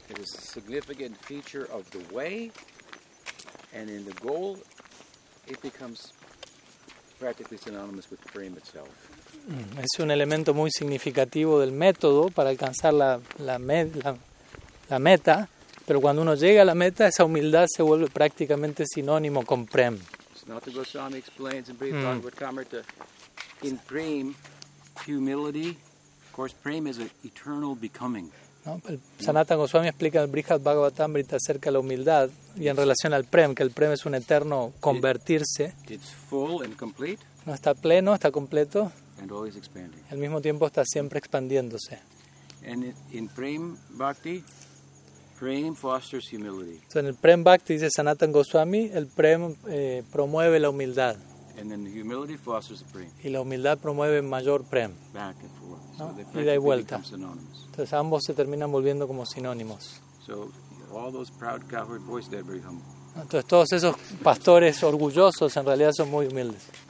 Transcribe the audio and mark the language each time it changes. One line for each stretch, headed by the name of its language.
English: It is a significant feature of the way, and in the goal, it becomes practically synonymous with prema itself.
Spanish: Es un elemento muy significativo del método para alcanzar la meta, pero cuando uno llega a la meta, esa humildad se vuelve prácticamente sinónimo con prem.
English: Santa Goswami explains in Brief Talk with Kamrata, in prem, humility, of course, prem is an eternal becoming.
Spanish: No, Sanatana Goswami explica en el Brihat Bhagavatamrita acerca de la humildad y en relación al prem, que el prem es un eterno convertirse.
English: It's full and complete.
Spanish: No está pleno, está completo.
English: And always expanding.
Spanish: Al mismo tiempo está siempre expandiéndose.
English: And in prem bhakti, prem fosters humility.
Spanish: So en el prem bhakti dice Sanatana Goswami, el prem promueve la humildad.
English: And then the humility fosters the prem.
Spanish: Y la humildad promueve mayor prem.
English: Back and forth.
Spanish: ¿No? So ida y vuelta. Entonces ambos se terminan volviendo como sinónimos.
English: So, all those proud cowherd boys, they're very humble.
Spanish: Entonces todos esos pastores orgullosos en realidad son muy humildes.